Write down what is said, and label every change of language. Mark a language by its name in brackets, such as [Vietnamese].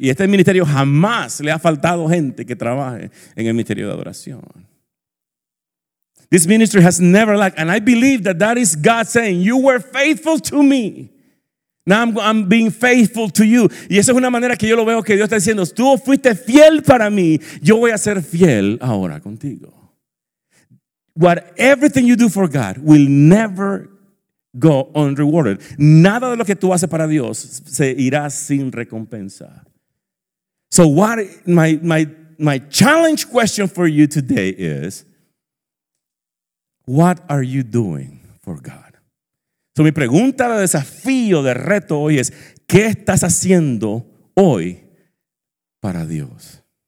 [Spanish] Y este ministerio jamás le ha faltado gente que trabaje en el ministerio de adoración. [English] This ministry has never lacked. And I believe that that is God saying, you were faithful to me. Now I'm being faithful to you. [Spanish] Y esa es una manera que yo lo veo que Dios está diciendo, tú fuiste fiel para mí, yo voy a ser fiel ahora contigo. [English] What everything you do for God will never go unrewarded. [Spanish] Nada de lo que tú haces para Dios se irá sin recompensa. [English] So what my challenge question for you today is, what are you doing for God? [Spanish] So mi pregunta de desafío, de reto hoy es, ¿qué estás haciendo hoy para Dios?